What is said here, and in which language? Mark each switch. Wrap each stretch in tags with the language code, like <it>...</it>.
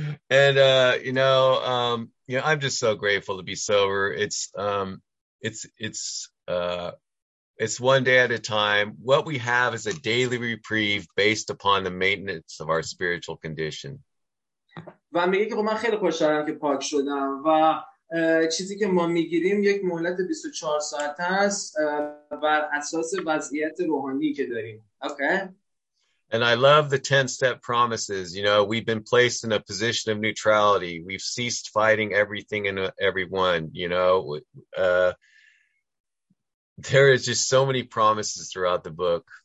<en>And you know, I'm just so grateful to be sober. It's one day at a time. What we have is a daily reprieve based upon the maintenance of our spiritual condition.</en> <fa>و میگه که من خیلی خوشحالم که پاک شدم و چیزی که ما میگیریم یک مهلت 24 ساعت است بر اساس وضعیت روحانی که داریم.</fa> <en>Okay. And I love the 10-step promises. You know, we've been placed in a position of neutrality. We've ceased fighting everything and everyone. You know, there is just so many promises throughout the book.</en>